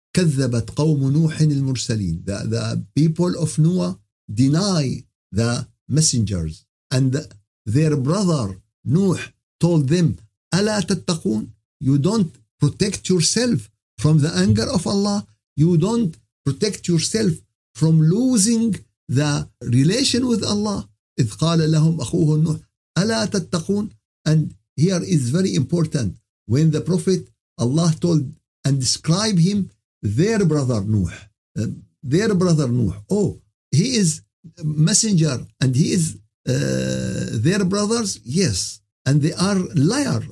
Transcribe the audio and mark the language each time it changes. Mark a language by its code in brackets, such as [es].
[ar] كذبت قوم نوح المرسلين. [en] The people of Noah deny the messengers. And their brother Nuh told them, [ar] ألا تتقون? [en] You don't protect yourself from the anger of Allah. You don't protect yourself from losing the relation with Allah. [ar] إذ قال لهم أخوه نوح, ألا تتقون? [en] And here is very important. When the prophet Allah told and described him, their brother Nuh, oh, he is messenger and he is their brothers, yes, and they are liar.